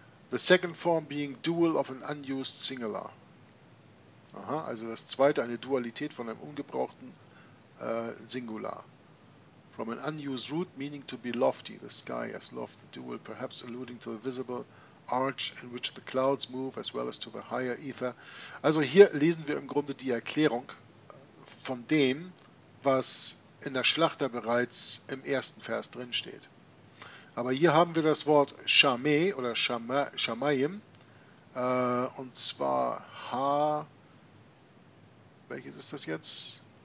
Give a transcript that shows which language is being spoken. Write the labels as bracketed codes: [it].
[en] The second form being dual of an unused singular. [de] Aha, also das zweite, eine Dualität von einem ungebrauchten Singular. [en] From an unused root meaning to be lofty, the sky as lofty dual, perhaps alluding to the visible arch in which the clouds move, as well as to the higher ether. [de] Also hier lesen wir im Grunde die Erklärung von dem, was in der Schlachter bereits im ersten Vers drinsteht. Aber hier haben wir das Wort Shameh oder Shamayim, und zwar welches ist das jetzt?